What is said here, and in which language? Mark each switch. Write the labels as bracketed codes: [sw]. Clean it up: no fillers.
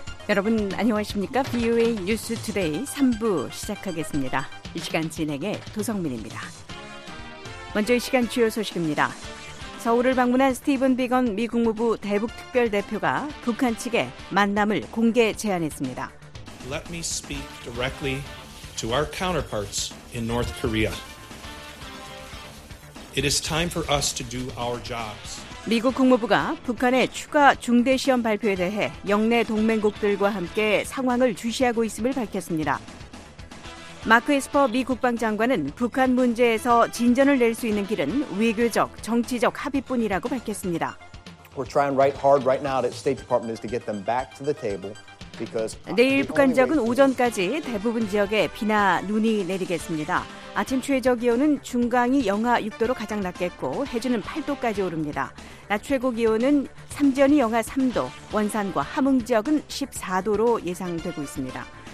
[ko] 여러분 안녕하십니까? VOA 뉴스 투데이 3부 시작하겠습니다. 이 시간 진행의 도성민입니다. 먼저 이 시간 주요 소식입니다. 서울을 방문한 스티븐 비건 미 국무부 대북특별대표가 북한 측에 만남을 공개 제안했습니다. [en] Let me speak directly to our counterparts in North Korea. It is time for us to do our jobs. [ko] 미국 국무부가 북한의 추가 중대시험 발표에 대해 영내 동맹국들과 함께 상황을 주시하고 있음을 밝혔습니다. 마크 에스퍼 미 국방장관은 북한 문제에서 진전을 낼 수 있는 길은 외교적, 정치적 합의뿐이라고 밝혔습니다. [en] We're trying right hard right now at State Department is to get them back to the table. [ko] 내일 북한 지역은 오전까지 대부분 지역에 비나 눈이 내리겠습니다. 아침 최저 기온은 중강이 영하 6도로 가장 낮겠고 해주는 8도까지 오릅니다. 낮 최고 기온은 삼전이 영하 3도, 원산과 함흥 지역은 14도로 예상되고 있습니다.